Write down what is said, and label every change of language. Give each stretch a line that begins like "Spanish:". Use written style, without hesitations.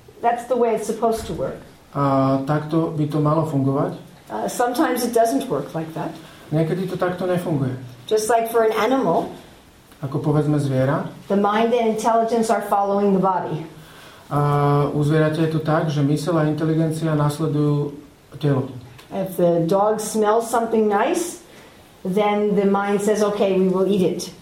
English: That's the way it's supposed to work.
Slovak: A takto by to malo fungovať?
English: Sometimes it doesn't work like that.
Slovak: Niekedy to takto nefunguje.
English: Just like for an animal.
Slovak: Ako povedzme zviera.
English: The mind and intelligence are following the body.
Slovak: A u zvierate je to tak, že mysel a inteligencia nasledujú telo.
English: If the dog smells something nice, then the mind says, okay, we will eat it.